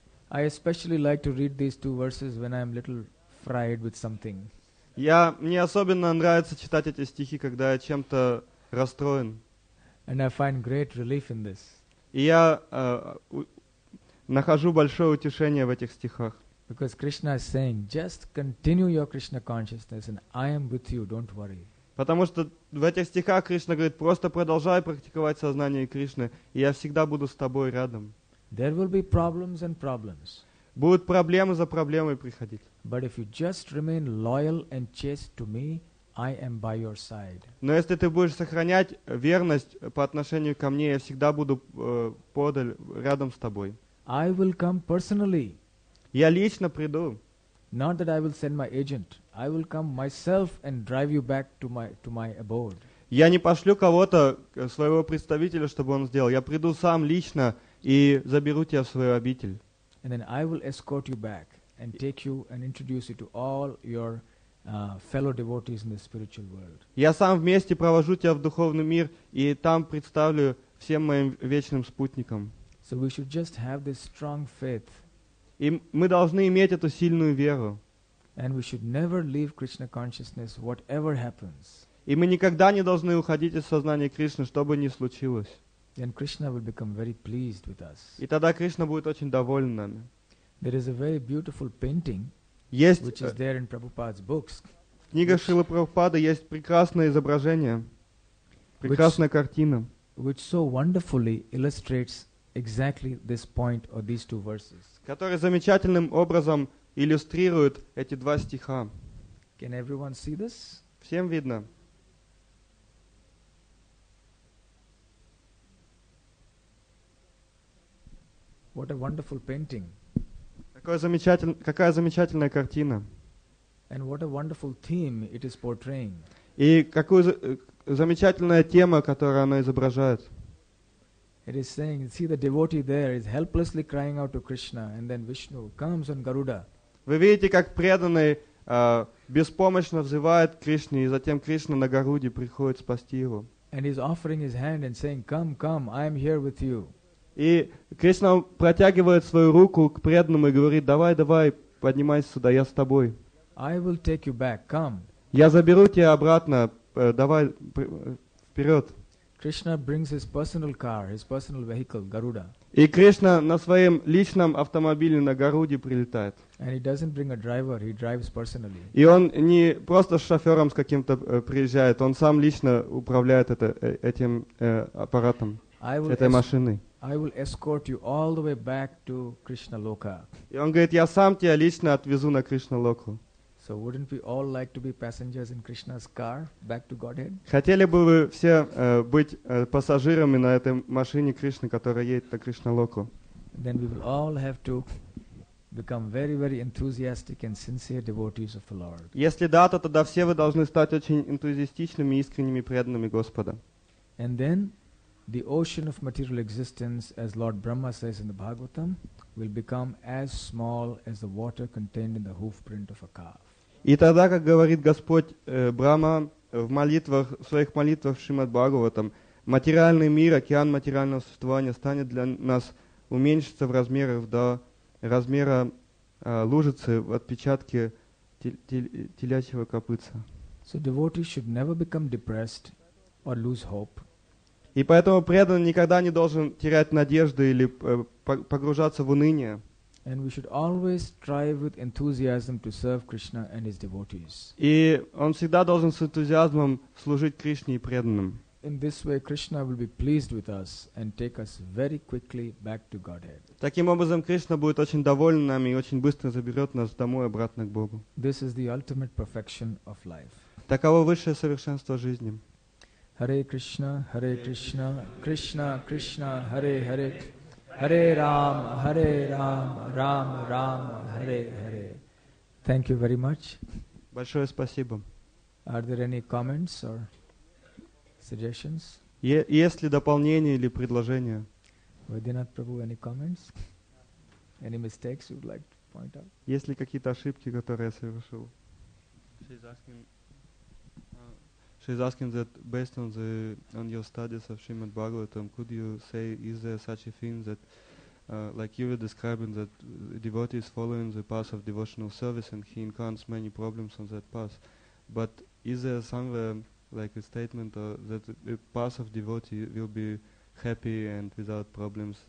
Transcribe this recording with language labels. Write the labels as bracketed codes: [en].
[en] I especially like to read these two verses when I'm a little fried with something. [ru] Мне особенно нравится читать эти стихи, когда я чем-то расстроен. [en] And I find great relief in this. [ru] И я нахожу большое утешение в этих стихах. [en] Because Krishna is saying, just continue your Krishna consciousness and I am with you, don't worry. [ru] Потому что в этих стихах Кришна говорит, просто продолжай практиковать сознание Кришны, и я всегда буду с тобой рядом. [en] There will be problems and problems. [ru] Будут проблемы за проблемой приходить. [en] But if you just remain loyal and chaste to me, I am by your side. [ru] Но если ты будешь сохранять верность по отношению ко мне, я всегда буду подаль, рядом с тобой. [en] I will come personally. [ru] Я лично приду. [en] Not that I will send my agent. I will come myself and drive you back to my abode. [ru] Я не пошлю кого-то, своего представителя, чтобы он сделал. Я приду сам лично и заберу тебя в свою обитель. [en] And then I will escort you back and take you and introduce you to all your fellow devotees in the spiritual world. [ru] Я сам вместе провожу тебя в духовный мир и там представлю всем моим вечным спутникам. [en] So we should just have this strong faith. [ru] И мы должны иметь эту сильную веру. [en] And we should never leave Krishna consciousness, whatever happens. [ru] И мы никогда не должны уходить из сознания Кришны, что бы ни случилось. [en] Then Krishna will become very pleased with us. [ru] И тогда Кришна будет очень доволен нами. [en] There is a very beautiful painting, [ru] есть, [en] which is there in Prabhupada's books. [ru] В книгах Шрилы Прабхупады есть прекрасное изображение, прекрасная картина, [en] which so wonderfully illustrates exactly this point or these two verses. [ru] Который замечательным образом иллюстрирует эти два стиха. [en] Can everyone see this? [ru] Всем видно? [en] What a wonderful painting. [ru] Какая замечательная картина. [en] And what a wonderful theme it is portraying. [ru] И какую замечательная тема, которую она изображает. [en] It is saying, see the devotee there is helplessly crying out to Krishna and then Vishnu comes on Garuda. [ru] Вы видите, как преданный беспомощно взывает к Кришне и затем Кришна на Гаруде приходит спасти его. [en] And he's offering his hand and saying, come, come, I am here with you. [ru] И Кришна протягивает свою руку к преданному и говорит, давай, давай, поднимайся сюда, я с тобой. [en] I will take you back. Come. [ru] Я заберу тебя обратно, давай, вперед. [en] Krishna brings his personal car, his personal vehicle, Garuda. [ru] И Кришна на своем личном автомобиле на Гаруде прилетает. [en] And he doesn't bring a driver, he drives personally. [ru] И он не просто с шофером с каким-то приезжает, он сам лично управляет этим аппаратом, этой машиной. [en] I will escort you all the way back to Krishna Loka. [ru] И он говорит, я сам тебя лично отвезу на Кришна Локу. [en] So wouldn't we all like to be passengers in Krishna's car back to Godhead? [ru] Хотели бы вы все быть пассажирами на этой машине Кришны, которая едет на Кришна Локу? [en] Then we will all have to become very, very enthusiastic and sincere devotees of the Lord. [ru] Если да, то тогда все вы должны стать очень энтузиастичными, искренними, преданными Господа. [en] And then the ocean of material existence, as Lord Brahma says in the Bhagavatam. will become as small as the water contained in the hoofprint of a calf. [ru] И тогда, как говорит Господь Брама в молитвах, в своих молитвах Шримад Бхагаватам, материальный мир, океан материального существования станет для нас уменьшиться в размерах до размера лужицы в отпечатке телячьего копытца. [en] So devotee should never become depressed or lose hope. [ru] И поэтому преданный никогда не должен терять надежды или погружаться в уныние. [en] And we should always strive with enthusiasm to serve Krishna and his devotees. [ru] И он всегда должен с энтузиазмом служить Кришне и преданным. [en] In this way, Krishna will be pleased with us and take us very quickly back to Godhead. [ru] Таким образом, Кришна будет очень доволен нами и очень быстро заберет нас домой обратно к Богу. [en] This is the ultimate perfection of life. [ru] Таково высшее совершенство жизни. [sa] Hare Krishna, Hare Krishna, Krishna Krishna, Hare Hare. Hare Ram, Hare Ram, Ram Ram, Hare Hare. [en] Thank you very much. [ru] Большое спасибо. [en] Are there any comments or suggestions? [ru] Есть ли дополнения или предложения? [en] Vaidyanath Prabhu, any comments? Any mistakes you would like to point out? [ru] Есть ли какие-то ошибки, которые я совершил? [en] She's asking that based on the on your studies of Srimad Bhagavatam, could you say, is there such a thing that, like you were describing, that a devotee is following the path of devotional service and he encounters many problems on that path, but is there somewhere like a statement that the path of devotee will be happy and without problems?